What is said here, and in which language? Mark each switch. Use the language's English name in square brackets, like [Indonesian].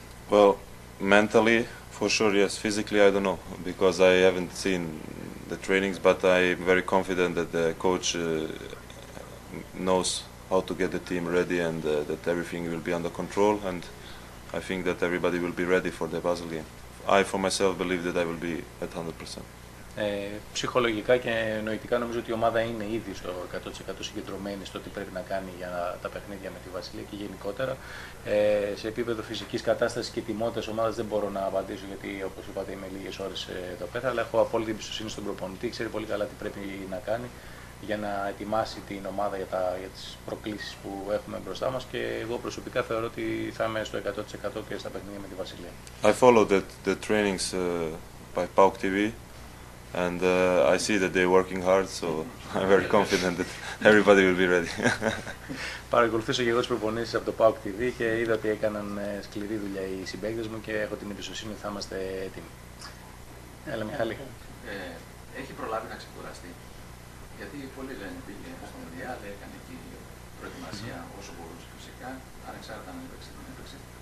[English] Well, mentally, for sure, yes. Physically, I don't know, because I haven't seen the trainings, but I'm very confident that the coach knows how to get the team ready and that everything will be under control, and I think that everybody will be ready for the Basel game. I for myself believe that I will be at 100%. [Greek] Ψυχολογικά και νοητικά νομίζω ότι η ομάδα είναι ήδη στο 100% συγκεντρωμένη στο τι πρέπει να κάνει για τα παιχνίδια με τη Βασιλεία και γενικότερα. Σε επίπεδο φυσικής κατάστασης και τιμότητας ομάδας δεν μπορώ να απαντήσω, γιατί όπως είπατε είμαι λίγες ώρες εδώ πέρα, αλλά έχω απόλυτη εμπιστοσύνη στον προπονητή, ξέρει πολύ καλά τι πρέπει να κάνει για να ετοιμάσει την ομάδα για τις προκλήσεις που έχουμε μπροστά μας, και εγώ προσωπικά θεωρώ ότι θα είμαι στο 100% και στα παιχνίδια με τη Βασιλεία. [English] I follow the trainings by PAOK TV. And I see that they're working hard, so I'm very confident that everybody will be ready. [Greek] Παρακολουθούσα και εγώ τις προπονήσεις από το PAOK TV και είδα ότι έκαναν σκληρή δουλειά οι συμπαίκτες μου και έχω την εμπιστοσύνη ότι θα είμαστε έτοιμοι. Έλα, Μιχάλη. Έχει προλάβει να ξεκουραστεί, γιατί πολλοί λένε πήγε στο Μουντιάλ, έκανε εκεί προετοιμασία όσο μπορούσε φυσικά, ανεξάρτητα αν έπαιξε την έπαιξη.